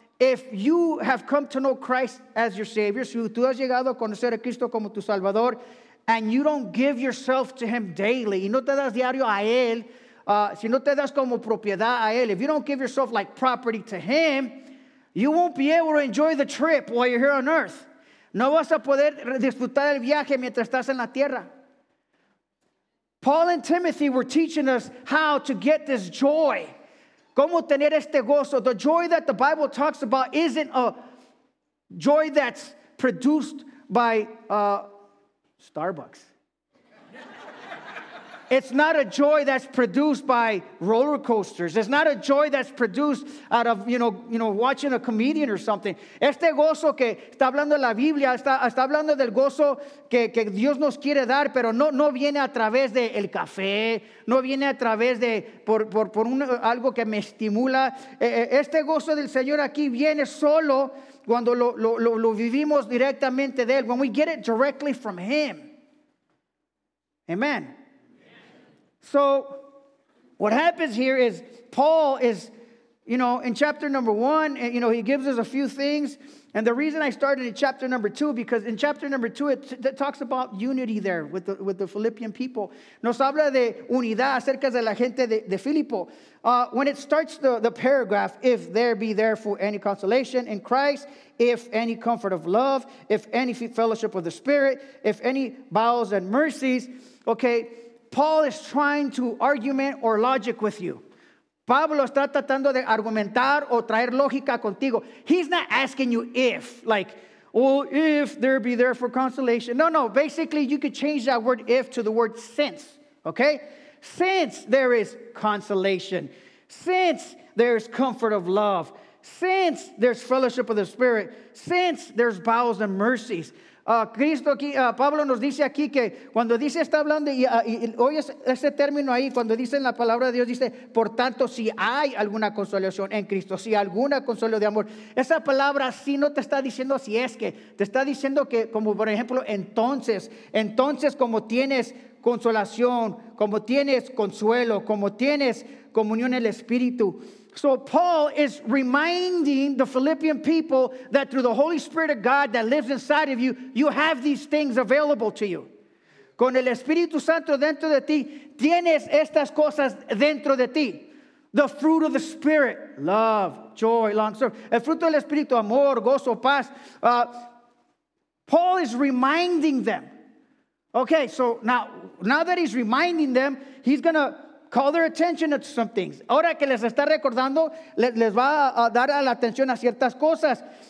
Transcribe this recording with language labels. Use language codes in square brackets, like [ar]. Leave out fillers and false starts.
[en] If you have come to know Christ as your Savior, [es] si tú has llegado a conocer a Cristo como tu Salvador, [en] and you don't give yourself to him daily, [es] y no te das diario a él, [en] si no te das como propiedad a él, if you don't give yourself like property to him, you won't be able to enjoy the trip while you're here on earth. [es] No vas a poder disfrutar el viaje mientras estás en la tierra. [en] Paul and Timothy were teaching us how to get this joy. [es] ¿Cómo tener este gozo? [en] The joy that the Bible talks about isn't a joy that's produced by Starbucks. It's not a joy that's produced by roller coasters. It's not a joy that's produced out of, watching a comedian or something. [es] Este gozo que está hablando la Biblia, está hablando del gozo que Dios nos quiere dar, pero no viene a través de el café, no viene a través de algo que me estimula. Este gozo del Señor aquí viene solo cuando lo vivimos directamente de él. [en] When we get it directly from him. Amen. So, what happens here is Paul is, in chapter number 1, he gives us a few things. And the reason I started in chapter number 2, because in chapter number 2, it talks about unity there with the Philippian people. [es] Nos habla de unidad acerca de la gente de Filipo. [en] When it starts the paragraph, if there be therefore any consolation in Christ, if any comfort of love, if any fellowship of the Spirit, if any bowels and mercies, okay, Paul is trying to argument or logic with you. [es] Pablo está tratando de argumentar o traer lógica contigo. [en] He's not asking you if, if there be there for consolation. No, basically you could change that word if to the word since, okay? Since there is consolation, since there is comfort of love, since there's fellowship of the Spirit, since there's bowels and mercies. [es] Cristo aquí, Pablo nos dice aquí que cuando dice, está hablando y oye ese término ahí, cuando dice en la palabra de Dios, dice, por tanto, si hay alguna consolación en Cristo, si alguna consuelo de amor, esa palabra sí no te está diciendo si es que, te está diciendo que, como por ejemplo, entonces como tienes consolación, como tienes consuelo, como tienes comunión en el Espíritu. [en] So Paul is reminding the Philippian people that through the Holy Spirit of God that lives inside of you, you have these things available to you. [es] Con el Espíritu Santo dentro de ti, tienes estas cosas dentro de ti. [en] The fruit of the Spirit, love, joy, long-suffering. [es] El fruto del Espíritu, amor, gozo, paz. [en] Paul is reminding them. Okay, so now that he's reminding them, he's going to call their attention to some things. [es] Ahora que les está recordando, les va a dar la atención a ciertas cosas.